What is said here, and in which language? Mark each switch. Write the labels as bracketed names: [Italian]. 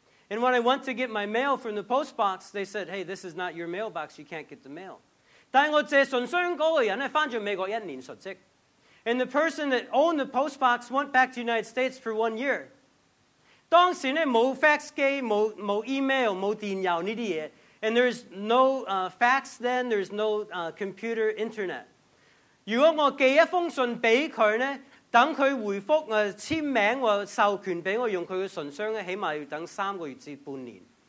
[English] And when I went to get my mail from the post box, they said, "Hey, this is not your mailbox. You can't get the mail." [Cantonese] 但我借信箱嗰個人咧，翻咗美國一年熟悉。 [English] And the person that owned the post box went back to the United States for 1 year. [Cantonese] 當時咧冇fax機，冇email，冇電郵呢啲嘢。 [English] And there's no fax then, there's no computer internet. [Cantonese] 如果我寄一封信俾佢咧，等佢回覆簽名或授權俾我用佢嘅信箱咧，起碼要等3個月至半年。